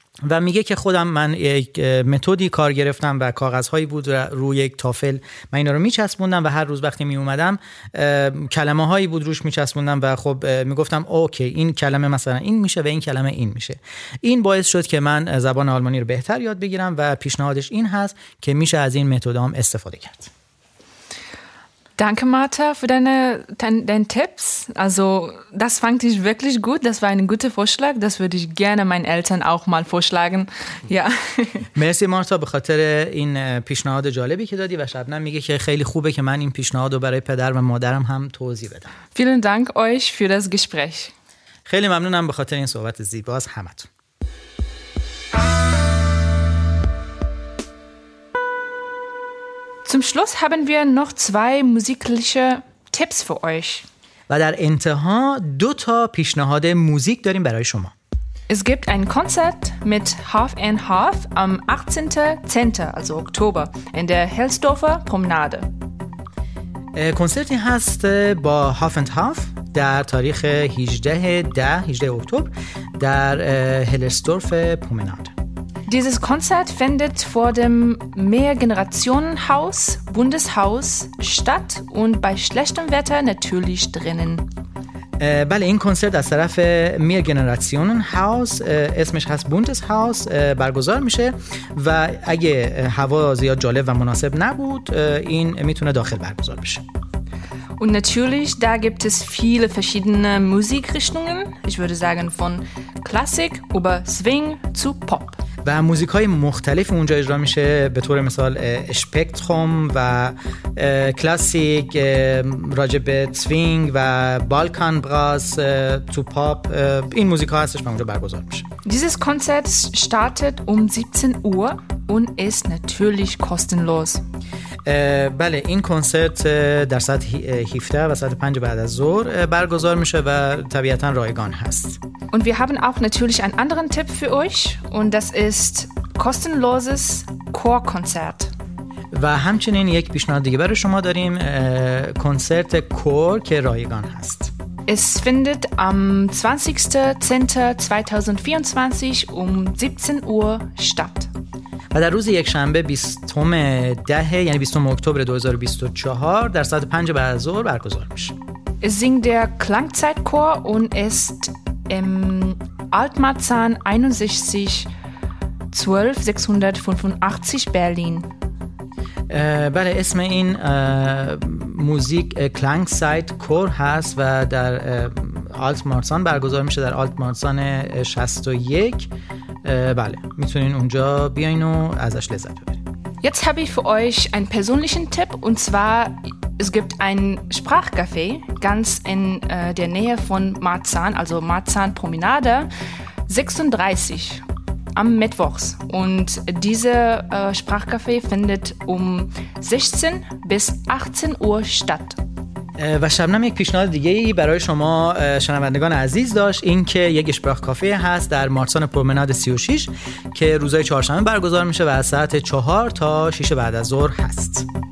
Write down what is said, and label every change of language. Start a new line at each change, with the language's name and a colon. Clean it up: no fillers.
Persian: و میگه که خودم من یک متدی کار گرفتم و کاغذهایی بود روی یک تافل، من اینا رو میچسبوندم و هر روز وقتی میومدم کلمه هایی بود روش میچسبوندم و خب میگفتم اوکی این کلمه مثلا این میشه و این کلمه این میشه. این باعث شد که من زبان آلمانی رو بهتر یاد بگیرم و پیشنهادش این هست که میشه از این متد هم استفاده کرد.
German: Danke, Martha, für deine Tipps. Also das fand ich wirklich gut. Das war ein guter Vorschlag. Das würde ich gerne meinen Eltern auch mal vorschlagen. Ja.
Persian: Merci, Martha, به خاطر این پیشنهاد جالبی که دادی و شبنم میگه که خیلی خوبه که من این پیشنهاد رو برای پدر و مادرم هم توضیح بدم.
German: Vielen Dank euch für das Gespräch.
Persian: خیلی ممنونم به خاطر این صحبت زیبا از همتون.
German: Zum Schluss haben wir noch zwei musikalische Tipps für euch.
Persian: و در انتها دو تا پیشنهاد موزیک داریم برای شما.
German: Es gibt ein Konzert mit Half and Half am 18.10. also Oktober in der Helsdorfer Promenade.
Persian: کنسرتی هست با Half and Half در تاریخ 18 اکتبر در هلسدورف پرومناد.
German: Dieses Konzert findet vor dem Mehrgenerationenhaus Bundeshaus statt und bei schlechtem Wetter natürlich drinnen.
Persian: بله، این کنسرت از طرف Mehrgenerationenhaus اسمش هست Bundeshaus برگزار میشه و اگه هوا زیاد جالب و مناسب نبود این میتونه داخل برگزار بشه.
German: Und natürlich, da gibt es viele verschiedene Musikrichtungen. Ich würde sagen von Klassik über Swing zu Pop.
Persian: و موزیک های مختلف اونجا اجرا میشه، به طور مثال اشپکتروم و کلاسیک، راجب توینگ و بالکان براس تو پاپ، این موزیک ها هستش و اونجا برگزار میشه.
German: Dieses Konzert startet um 17 Uhr und ist natürlich kostenlos.
Persian: بله، این کنسرت در ساعت 17 و ساعت 5 بعد از ظهر برگزار میشه و طبیعتا رایگان هست.
German: Und wir haben auch natürlich einen anderen Tipp für euch und das ist kostenloses Chorkonzert.
Persian: و همچنین یک پیشنهاد دیگه برای شما داریم، کنسرت کور که رایگان هست.
German: Es findet am 20.10.2024 um 17 Uhr statt.
Persian: و در روز یک شنبه 20 دهه یعنی 20 اکتبر 2024 در ساعت 5 بعد از ظهر برگزار میشه.
German: Es singt der Klangzeitchor und ist im Altmarzahn 61 12 685 Berlin.
Persian: بله، اسم این موزیک Klangzeitchor هست و در Altmarzahn برگزار میشه، در Altmarzahn 61. بله، میتونین اونجا بیاین و ازش لذت ببرین.
German: Jetzt habe ich für euch einen persönlichen Tipp und zwar es gibt ein Sprachcafé ganz in der Nähe von Marzahn, also Marzahn Promenade 36 am Mittwochs und diese Sprachcafé findet um 16 bis 18 Uhr statt.
Persian: و شبنم یک پیشنهاد دیگه ای برای شما شنوندگان عزیز داشت، این که یک اشپراخ کافه هست در مارسان پرومناد 36 که روزای چهارشنبه برگزار میشه و از ساعت 4 تا 6 بعد از ظهر هست.